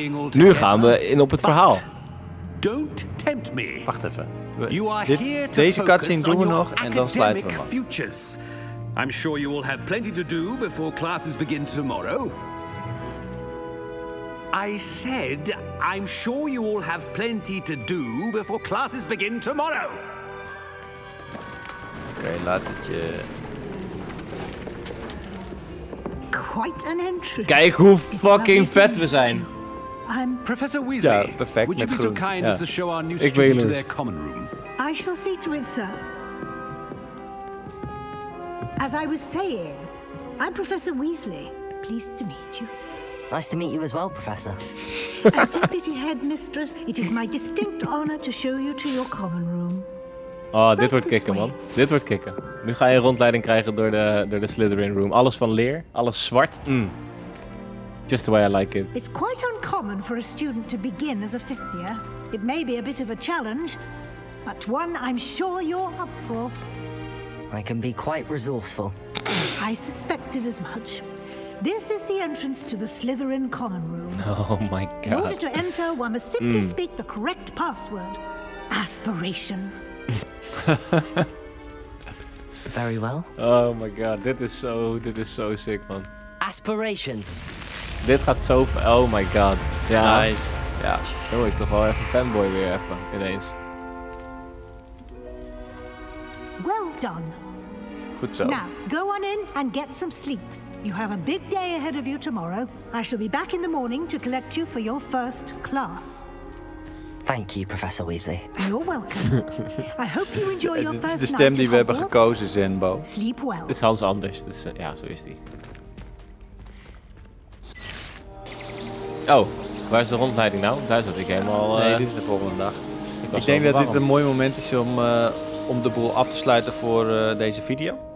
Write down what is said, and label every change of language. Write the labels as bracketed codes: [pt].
[nl] Nu gaan we in op het verhaal. [en] Don't tempt me. [nl] Wacht even. Deze cutscene doen we nog en dan sluiten we af. [en] I'm sure you will have plenty to do before classes begin tomorrow. I said, I'm sure you all have plenty to do before classes begin tomorrow. [nl] Okay, laat het je. [en] Quite an entry. [nl] Kijk hoe fucking vet we zijn. [en] I'm Professor Weasley. [nl] Ja, perfect. [en] Would you [nl] met [en] be [nl] groen. [en] So kind as to show our new student to their common room? I shall see to it, sir. As I was saying, I'm Professor Weasley. Pleased to meet you. Nice to meet you as well, Professor. As Deputy Headmistress, it is my distinct honor to show you to your common room. [nl] Oh, dit wordt kicken, man. Dit wordt kicken. Nu ga je een rondleiding krijgen door de Slytherin Room. Alles van leer, alles zwart. [en] Mm. Just the way I like it. It's quite uncommon for a student to begin as a fifth year. It may be a bit of a challenge, but one I'm sure you're up for. I can be quite resourceful. I suspected as much. This is the entrance to the Slytherin Common Room. Oh my god. In order to enter, one must simply speak the correct password. Aspiration. Very well. [nl] Oh my god, dit is zo sick, man. [en] Aspiration. [nl] Dit gaat zo... Oh my god. Ja. Nice. Ja, dan word ik toch wel even fanboy weer even, ineens. [en] Well done. [nl] Goed zo. [en] Now, go on in and get some sleep. You have a big day ahead of you tomorrow. I shall be back in the morning to collect you for your first class. Thank you, Professor Weasley. You're welcome. I hope you enjoy your first night. [nl] Dit is de stem die we hebben gekozen, Zenbo. [en] Sleep well. [nl] Dit is Hans Anders. Dit is, ja, zo is die. Oh, waar is de rondleiding nou? Daar zat ik helemaal... Nee, dit is de volgende dag. Ik denk dat dit een mooi moment is om de boel af te sluiten voor deze video.